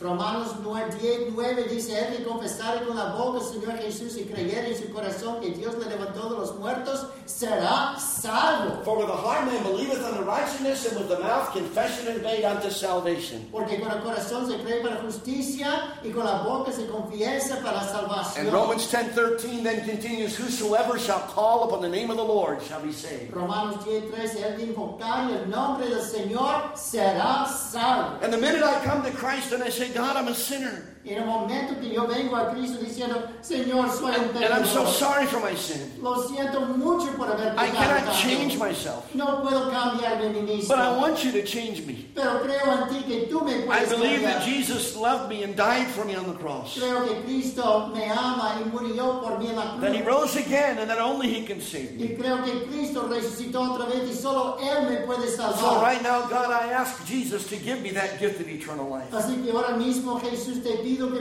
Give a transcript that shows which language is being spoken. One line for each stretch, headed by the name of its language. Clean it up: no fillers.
Spanish: Romanos 10:9 dice, el que confesare con la boca Señor Jesús y creyere en su corazón que Dios le levantó de los muertos, será salvo.
English: For with the heart man believeth unto righteousness, and with the mouth confession is made unto salvation.
Spanish: Porque con el corazón se cree para justicia, y con la boca se confiesa para salvación.
English: And Romans 10:13 then continues, whosoever shall call upon the name of the Lord shall be saved.
Spanish: Romanos 10:13, el que invocare el nombre del Señor será salvo.
English: And the minute I come to Christ and I say, God, I'm a sinner.
Spanish: En el momento que yo vengo a Cristo diciendo, Señor, soy un pecador.
English: And I'm so sorry for my sin.
Spanish: Lo siento mucho por haber pecado.
English: I cannot change myself.
Spanish: No puedo cambiar de mí mismo.
English: But I want you to change me.
Spanish: Pero creo en ti que tú me puedes
English: I believe
Spanish: cambiar.
English: That Jesus loved me and died for me on the cross.
Spanish: Creo que Cristo me ama y murió por mí en la cruz.
English: That He rose again and that only He can save me.
Spanish: Y creo que Cristo resucitó otra vez y solo Él me puede salvar.
English: So right now, God, I ask Jesus to give me that gift of eternal life.
Spanish: Así que ahora mismo Jesús te pide.